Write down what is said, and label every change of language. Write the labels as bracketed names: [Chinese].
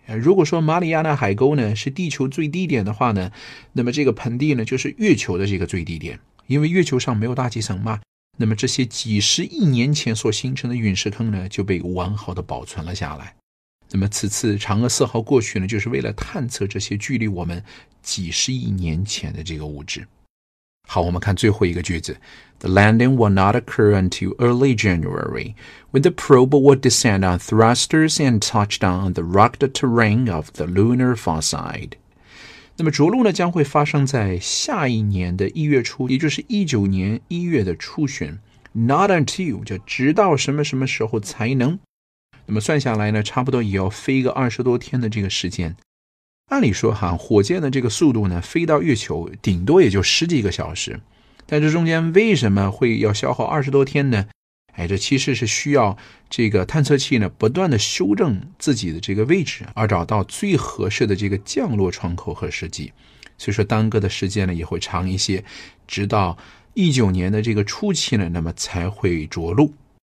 [Chinese] 如果说马里亚纳海沟呢是地球最低点的话呢，那么这个盆地呢就是月球的这个最低点，因为月球上没有大气层嘛，那么这些几十亿年前所形成的陨石坑呢就被完好的保存了下来。那么此次嫦娥四号过去呢就是为了探测这些距离我们几十亿年前的这个物质。好，我们看最后一个句子。 [English] The landing will not occur until early January when the probe will descend on thrusters and touch down the rugged terrain of the lunar far side。 [Chinese] 那么着陆呢将会发生在下一年的一月初，也就是19年一月的初旬。 Not until 就直到什么什么时候才能，那么算下来呢差不多也要飞个20多天的这个时间。按理说哈，火箭的这个速度呢飞到月球顶多也就10几个小时，但这中间为什么会要消耗20多天呢，哎，这其实是需要这个探测器呢不断的修正自己的这个位置，而找到最合适的这个降落窗口和时机，所以说耽搁的时间呢也会长一些，直到19年的这个初期呢那么才会着陆。